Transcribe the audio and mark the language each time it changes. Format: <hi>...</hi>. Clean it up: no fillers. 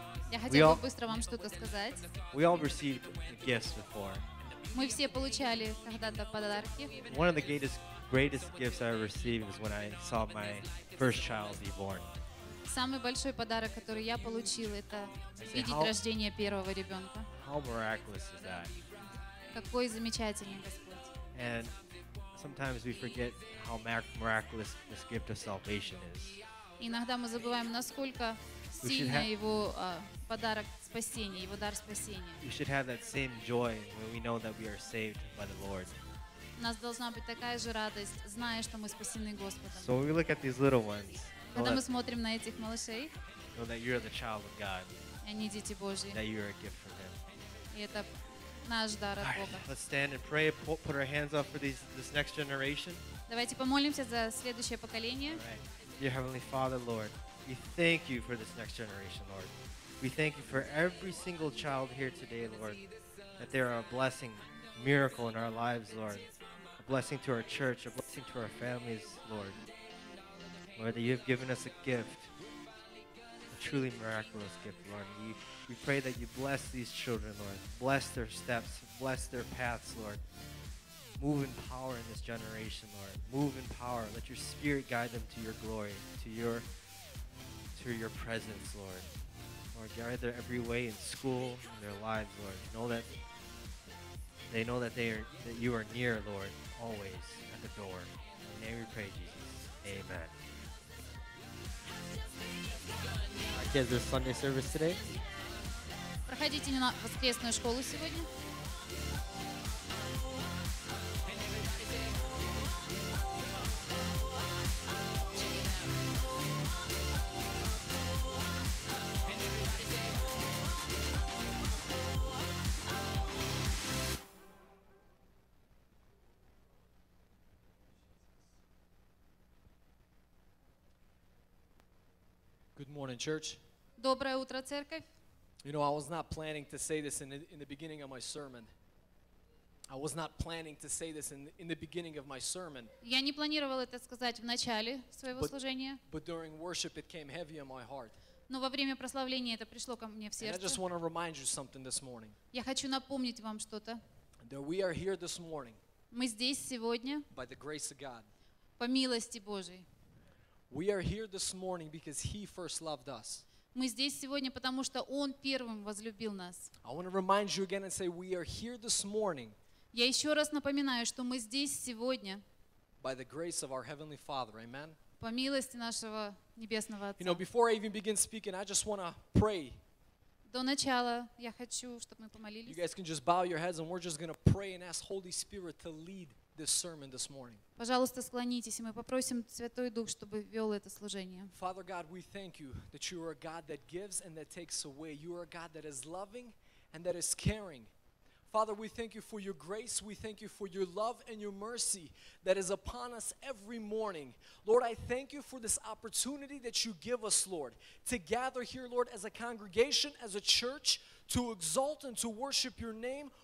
<ru>Я хотел бы быстро вам что-то сказать.</ru> <en>We all received gifts before.</en> <ru>Мы все получали когда-то подарки.</ru> <en>One of the greatest gifts I received was when I saw my first child be born.</en> <ru>Самый большой подарок, который я получил, это видеть рождение первого ребенка.</ru> <en>How miraculous is that?</en> <ru>Какой замечательный Господь.</ru> <en>And sometimes we forget how miraculous this gift of salvation is.</en> <ru>Иногда мы забываем, насколько сильно его подарок спасения, его дар спасения.</ru> <en>We should have that same joy when we know that we are saved by the Lord.</en> <ru>У нас должна быть такая же радость, зная, что мы спасены Господом.</ru> <en>So when we look at these little ones,</en> <ru>когда мы смотрим на этих малышей,</ru> <en>know that you are the child of God.</en> <ru>Они дети Божьи.</ru> <en>That you are a gift for them.</en> <ru>И это наш дар от Бога.</ru> <en>Let's stand and pray. Put our hands up for this next generation.</en> <ru>Давайте помолимся за следующее поколение.</ru> <en>Dear Heavenly Father, Lord, we thank you for this next generation, Lord. We thank you for every single child here today, Lord, that they are a blessing, miracle in our lives, Lord. A blessing to our church, a blessing to our families, Lord. Lord, that you have given us a gift, a truly miraculous gift, Lord. We pray that you bless these children, Lord. Bless their steps, bless their paths, Lord. Move in power in this generation, Lord. Move in power. Let your spirit guide them to your glory, to your presence, Lord. Lord, guide their every way in school, in their lives, Lord. They know that you are near, Lord, always at the door. In the name we pray, Jesus. Amen. Our kids, this Sunday service today.</en> <ru>Проходите на воскресную школу сегодня.</ru> <en>Good morning, church.</en> <ru>Доброе утро, церковь.</ru> <en>You know, I was not planning to say this in the beginning of my sermon. I was not planning to say this in the beginning of my sermon.</en> <ru>Я не планировал это сказать в начале своего служения.</ru> <en>But during worship, it came heavy on my heart.</en> <ru>Но во время прославления это пришло ко мне в сердце.</ru> <en>And I just want to remind you something this morning.</en> <ru>Я хочу напомнить вам что-то.</ru> <en>That we are here this morning.</en> <ru>Мы здесь сегодня.</ru> <en>By the grace of God.</en> <ru>По милости Божией.</ru> <en>We are here this morning because He first loved us.</en> <ru>Мы здесь сегодня, потому что Он первым возлюбил нас.</ru> <en>I want to remind you again and say we are here this morning.</en> <ru>Я еще раз напоминаю, что мы здесь сегодня.</ru> <en>By the grace of our Heavenly Father, amen.</en> <ru>По милости нашего небесного Отца.</ru> <en>You know, before I even begin speaking, I just want to pray.</en> <ru>До начала я хочу, чтобы мы помолились.</ru> <en>You guys can just bow your heads and we're just going to pray and ask Holy Spirit to lead this sermon this morning.</en> <ru>Пожалуйста, склонитесь, и мы попросим Святой Дух, чтобы вёл это служение.</ru> <en>Father God, we thank you that you are a God that gives and that takes away. You are a God that is loving and that is caring. Father, we thank you for your grace. We thank you for your love and your mercy that is upon us every morning. Lord, I thank you for this opportunity that you give us, Lord, to gather here, Lord, as a congregation, as a church, to exalt and to worship your name.</en>